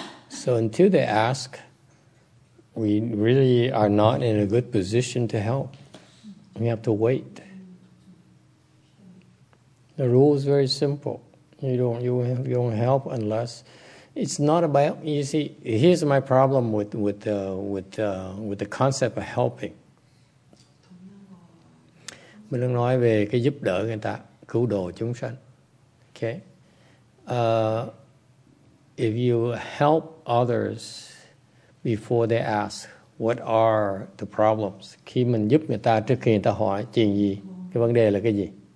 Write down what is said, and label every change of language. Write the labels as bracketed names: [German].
[English] So until they ask, we really are not in a good position to help. We have to wait. The rule is very simple. You don't help unless... It's not about, you see, here's my problem with the concept of helping. [Vietnamese] Mình đang nói về cái giúp đỡ người ta, cứu độ chúng sanh. [English] Okay. If you help others before they ask, what are the problems? [Vietnamese] Khi mình giúp người ta trước khi người ta hỏi chuyện gì, cái vấn đề là cái gì?